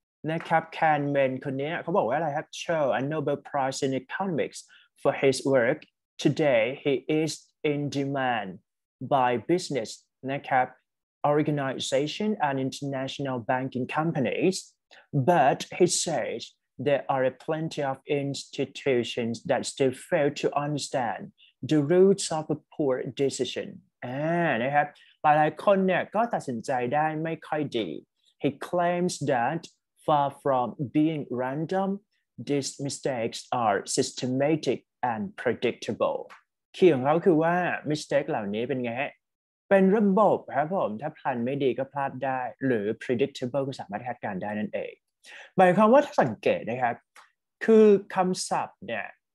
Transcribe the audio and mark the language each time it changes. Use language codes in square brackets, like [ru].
[th] นะครับ Kahneman คนนี้เขาบอกว่าอะไรครับ [en] show a Nobel Prize in economics for his work today he is in demand by business นะครับ organization and international banking companies but he says there are plenty of institutions that still fail to understand the roots of a poor decision. [th] นะครับหลายๆคนเนี่ยก็ตัดสินใจได้ไม่ค่อยดี [en] He claims that far from being random, these mistakes are systematic and predictable. [th] คีย์ของเขาคือว่า mistake เหล่านี้เป็นไงฮะเป็นระบบครับผมถ้าพลาดไม่ดีก็พลาดได้หรือ predictable ก็สามารถคาดการได้นั่นเองหมายความว่าถ้าสังเกตนะครับคือคำศัพท์เนี่ย